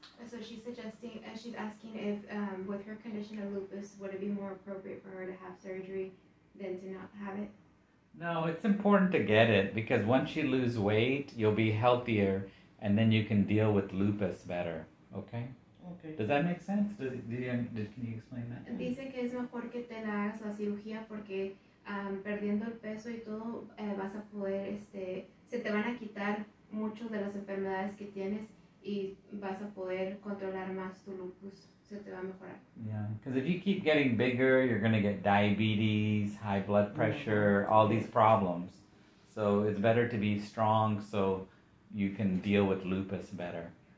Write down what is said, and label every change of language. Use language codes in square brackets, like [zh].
[en] So she's suggesting, she's asking if with her condition of lupus, would it be more appropriate for her to have surgery than to not have it? No, it's important to get it because once you lose weight, you'll be healthier and then you can deal with lupus better, okay? Okay. Does that make sense? Can you explain that? [es] Dice que es mejor que te la hagas la cirugía porque perdiendo el peso y todo vas a poder, se te van a quitar muchas de las enfermedades que tienes. [en] Yeah, because if you keep getting bigger, you're going to get diabetes, high blood pressure, all these problems. So it's better to be strong so you can deal with lupus better.